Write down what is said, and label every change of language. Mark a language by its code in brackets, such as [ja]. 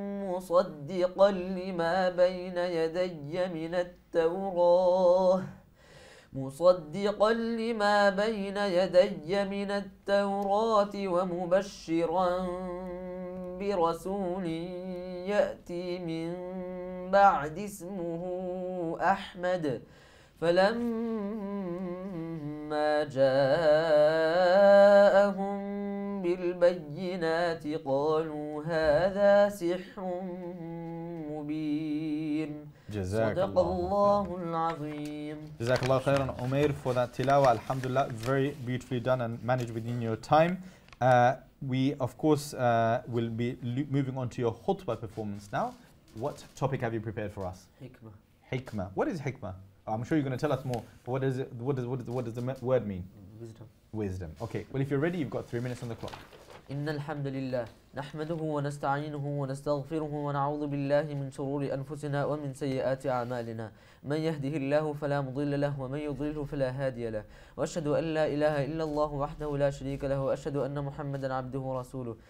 [ar] مصدقا لما بين يدي من التوراة ومبشرا برسول يأتي من بعد اسمه أحمد. فلما جاءهم بالبينات قالوا هذا سحر مبين. جزاك الله العظيم. جزاك الله خيرا [en] Umair for that tilawa. Alhamdulillah, very beautifully done and managed within your time. We, of course, will be moving on to your khutbah performance now. What topic have you prepared for us? Hikmah. Hikmah. What is hikmah? Oh, I'm sure you're going to tell us more. But what, does the word mean? Wisdom. Wisdom. Okay. Well, if you're ready, you've got 3 minutes on the clock. [ar] Inna alhamdulillah. نحمده ونستعينه ونستغفره ونعوذ بالله من شرور أنفسنا ومن سيئات أعمالنا. من يهده الله فلا مضل له ومن يضلله فلا هادي له. وأشهد أن لا إله إلا الله وحده لا شريك له وأشهد أن محمدا عبده ورسوله.